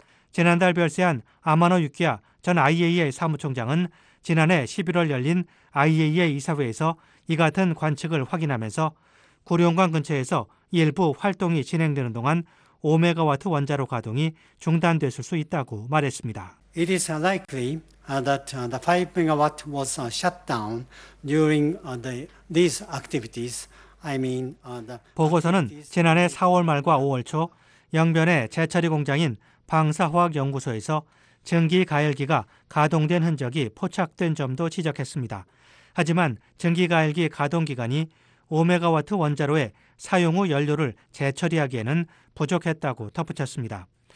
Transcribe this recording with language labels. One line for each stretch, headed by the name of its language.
Korean: 지난달 별세한 아마노 유키야 전 IAEA 사무총장은 지난해 11월 열린 IAEA 이사회에서 이 같은 관측을 확인하면서 구룡강 근처에서 일부 활동이 진행되는 동안 5메가와트 원자로 가동이 중단됐을 수 있다고 말했습니다.
English: It is likely that the 5 megawatt was shut down during these activities. I mean, the
Korean: 보고서는 지난해 4월 말과 5월 초 영변의 재처리 공장인 방사화학연구소에서 증기 가열기가 가동된 흔적이 포착된 점도 지적했습니다. 하지만 증기 가열기 가동 기간이 5메가와트 원자로의 사용 후 연료를 재처리하기에는 부족했다고 덧붙였습니다.